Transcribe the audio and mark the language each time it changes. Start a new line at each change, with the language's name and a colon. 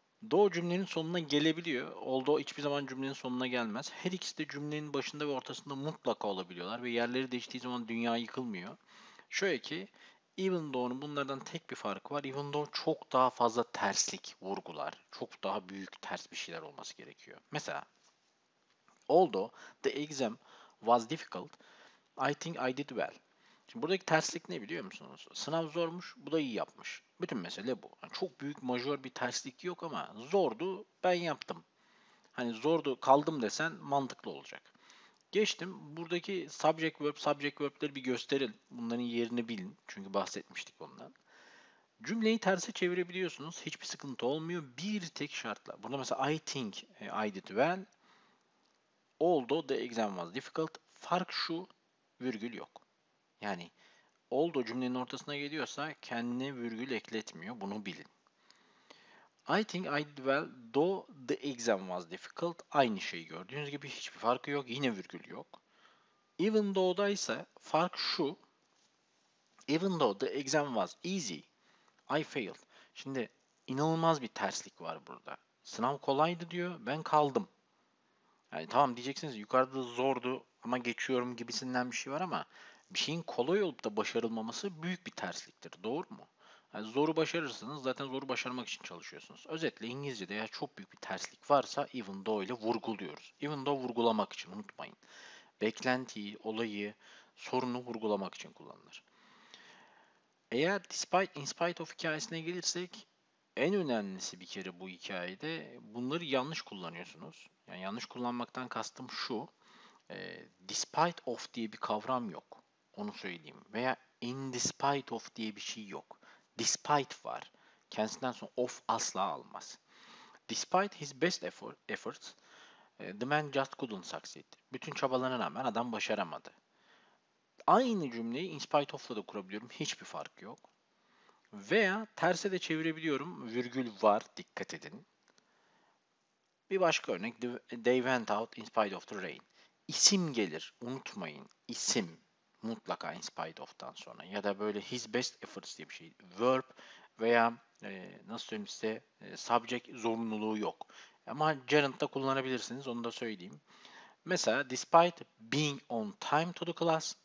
Turkish: Do cümlenin sonuna gelebiliyor. Although hiçbir zaman cümlenin sonuna gelmez. Her ikisi de cümlenin başında ve ortasında mutlaka olabiliyorlar. Ve yerleri değiştiği zaman dünya yıkılmıyor. Şöyle ki, even though'un bunlardan tek bir farkı var. Even though çok daha fazla terslik vurgular. Çok daha büyük ters bir şeyler olması gerekiyor.
English: Mesela, although the exam was difficult, I think I did well.
Turkish: Şimdi buradaki terslik ne biliyor musunuz? Sınav zormuş, bu da iyi yapmış. Bütün mesele bu. Yani çok büyük majör bir terslik yok ama zordu, ben yaptım. Hani zordu, kaldım desen mantıklı olacak. Geçtim. Buradaki subject verb'leri bir gösterin. Bunların yerini bilin. Çünkü bahsetmiştik ondan. Cümleyi terse çevirebiliyorsunuz. Hiçbir sıkıntı olmuyor. Bir tek şartla. Burada mesela
English: I think I did well. Although the exam was difficult.
Turkish: Fark şu, virgül yok. Yani although cümlenin ortasına geliyorsa kendine virgül ekletmiyor. Bunu bilin.
English: I think I did well though the exam was difficult.
Turkish: Aynı şeyi gördüğünüz gibi hiçbir farkı yok. Yine virgül yok. Even though'da ise fark şu.
English: Even though the exam was easy, I failed.
Turkish: Şimdi inanılmaz bir terslik var burada. Sınav kolaydı diyor, ben kaldım. Yani tamam diyeceksiniz yukarıda zordu ama geçiyorum gibisinden bir şey var ama bir şeyin kolay olup da başarılmaması büyük bir tersliktir. Doğru mu? Yani zoru başarırsanız zaten zoru başarmak için çalışıyorsunuz. Özetle İngilizce'de eğer çok büyük bir terslik varsa even though ile vurguluyoruz. Even though vurgulamak için unutmayın. Beklentiyi, olayı, sorunu vurgulamak için kullanılır. Eğer despite in spite of hikayesine gelirsek en önemlisi bir kere bu hikayede bunları yanlış kullanıyorsunuz. Yani yanlış kullanmaktan kastım şu. Despite of diye bir kavram yok. Onu söyleyeyim. Veya in despite of diye bir şey yok. Despite var. Kendisinden sonra of asla almaz.
English: Despite his best efforts, the man just couldn't succeed.
Turkish: Bütün çabalarına rağmen adam başaramadı. Aynı cümleyi in spite of'la da kurabiliyorum. Hiçbir fark yok. Veya terse de çevirebiliyorum. Virgül var. Dikkat edin. Bir başka örnek.
English: They went out in spite of the rain.
Turkish: İsim gelir. Unutmayın. İsim. Mutlaka in spite of'tan sonra. Ya da böyle
English: his best efforts
Turkish: diye bir şey. Verb veya nasıl söyleyeyim size subject zorunluluğu yok. Ama gerund da kullanabilirsiniz. Onu da söyleyeyim.
English: Mesela despite being on time to the class.